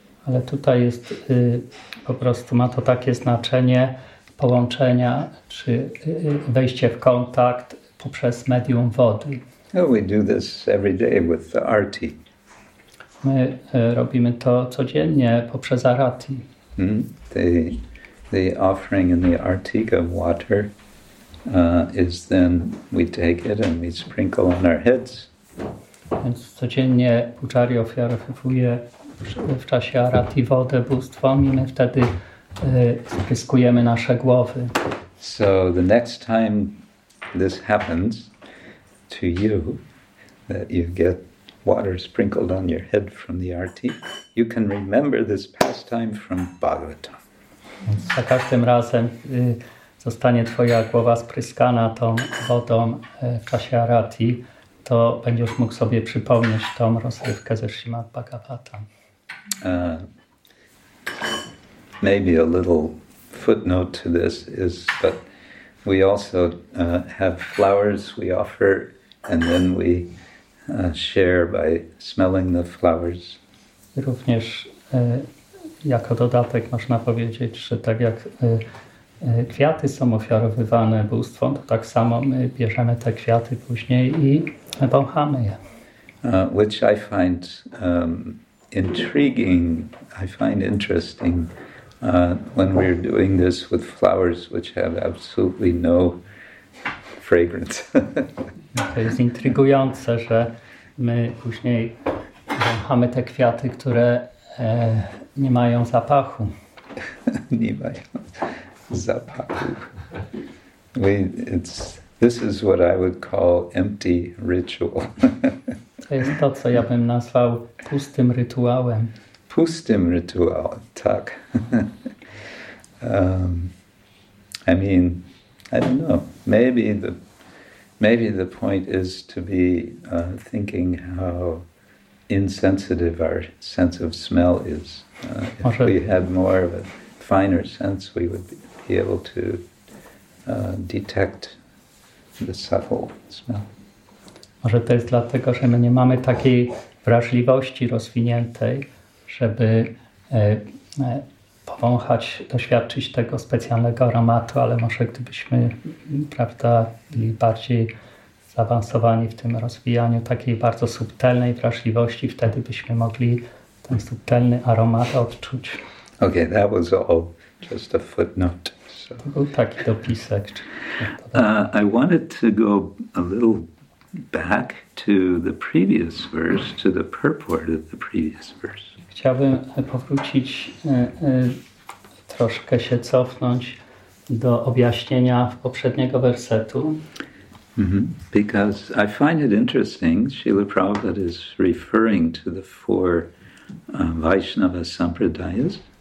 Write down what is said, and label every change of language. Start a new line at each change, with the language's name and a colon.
Polish: Ale tutaj jest po prostu ma to takie znaczenie połączenia czy wejście w kontakt poprzez medium wody.
English: Well, we do this every day with the arati.
Polish: My robimy to codziennie poprzez arati. Mm-hmm.
English: The offering in the arati of water is then we take it and we sprinkle on our heads.
Polish: Więc codziennie pucharyi ofiarowuje w czasie arati wodę bóstwom i my wtedy spryskujemy nasze głowy.
English: So the next time this happens to you, that you get water sprinkled on your head from the arati, you can remember this pastime from Bhagavatam.
Polish: Więc za każdym razem zostanie twoja głowa spryskana tą wodą w czasie arati, to będziesz mógł sobie przypomnieć tą rozrywkę ze Śrimad Bhagavatam.
English: Maybe a little footnote to this is that we also have flowers we offer and then we share by smelling the flowers.
Polish: Również jako dodatek można powiedzieć, że tak jak kwiaty są ofiarowywane bóstwom, to tak samo my bierzemy te kwiaty później i wąchamy je.
English: Which I find intriguing, I find interesting when we're doing this with flowers which have absolutely no fragrance.
Polish: To jest intrygujące, że my później wąchamy te kwiaty, które nie mają zapachu. Nie mają. Zapachu.
English: This is what I would call empty ritual.
Polish: To jest to, co ja bym nazwał pustym rytuałem. Pustym rytuał, tak.
English: I mean, I don't know. Maybe the point is to be thinking how insensitive our sense of smell is. If we had more of a finer sense, we would be able to detect the subtle smell.
Polish: Może to jest dlatego, że my nie mamy takiej wrażliwości rozwiniętej, żeby powąchać, doświadczyć tego specjalnego aromatu, ale może gdybyśmy, prawda, byli bardziej zaawansowani w tym rozwijaniu takiej bardzo subtelnej wrażliwości, wtedy byśmy mogli ten subtelny aromat odczuć.
English: Okay, that was all just a footnote. So. I wanted to go a little back to the previous verse, to the purport of the previous verse.
Polish: Chciałbym powrócić, troszkę się cofnąć do objaśnienia poprzedniego wersetu.
English: Because I find it interesting, Srila Prabhupada is referring to the four Vaishnava Sampradayas.